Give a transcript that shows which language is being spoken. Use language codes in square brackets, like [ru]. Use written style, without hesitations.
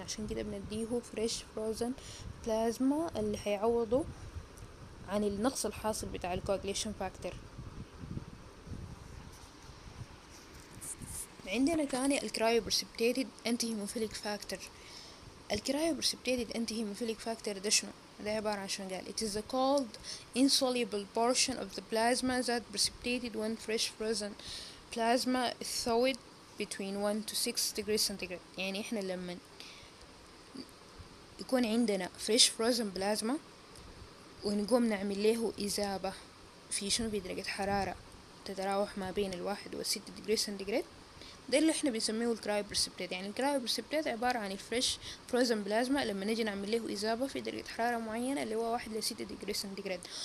[ar] عشان كده بنديه فريش فروزن بلازما اللي حيعوضه عن النقص الحاصل بتاع الكواجليشن فاكتور. عندنا ثاني الكرايو برسيبتيتد انتي هيموفيليك فاكتور. الكرايو برسيبتيتد انتي هيموفيليك فاكتور ده شنو ده عباره عن شنو قال [en] it is a called insoluble portion of the plasma that precipitated when fresh frozen plasma thawed between 1 to 6 degrees centigrade. [ar] يعني احنا لما يكون عندنا fresh frozen plasma ونقوم نعمل له إذابة في شنو في درجة حرارة تتراوح ما بين الواحد والست درجة سنتيغريد ده اللي احنا بنسميه الكرايو برسيبتيت. يعني الكرايو برسيبتيت عبارة عن الفريش فروزن بلازما لما نجي نعمل له إذابة في درجة حرارة معينة اللي هو واحد لست درجة سنتيغريد.